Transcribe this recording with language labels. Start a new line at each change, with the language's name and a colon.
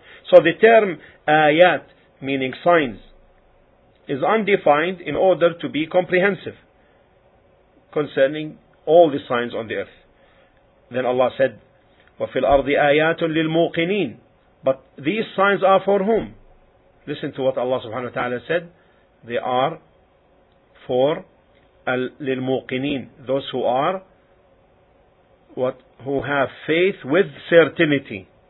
English: So the term ayat, meaning signs, is undefined in order to be comprehensive concerning all the signs on the earth. Then Allah said,
Arabic: وَفِي الْأَرْضِ آيَاتٌ لِلْمُوقِنِينَ.
English: But these signs are for whom? Listen to what Allah subhanahu wa ta'ala said. They are for al-lil-muqineen, those who are what, who have faith with certainty.